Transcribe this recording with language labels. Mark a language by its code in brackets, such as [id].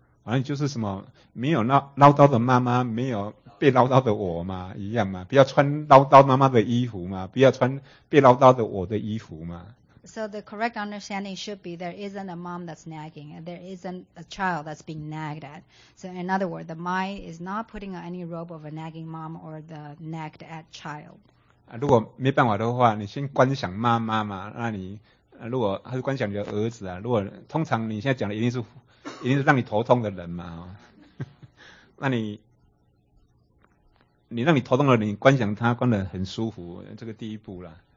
[zh] 反正就是什么，没有唠叨的妈妈，没有被唠叨的我嘛，一样嘛，不要穿唠叨妈妈的衣服嘛，不要穿被唠叨的我的衣服嘛。 [en] So the correct understanding should be there isn't a mom that's nagging and there isn't a child that's being nagged at. So in other words, the mind is not putting on any robe of a nagging mom or the nagged at child. [zh] 如果没办法的话，你先观想妈妈嘛。那你如果还是观想你的儿子啊，如果通常你现在讲的一定是让你头痛的人嘛。那你让你头痛的人，你观想他观得很舒服，这个第一步啦。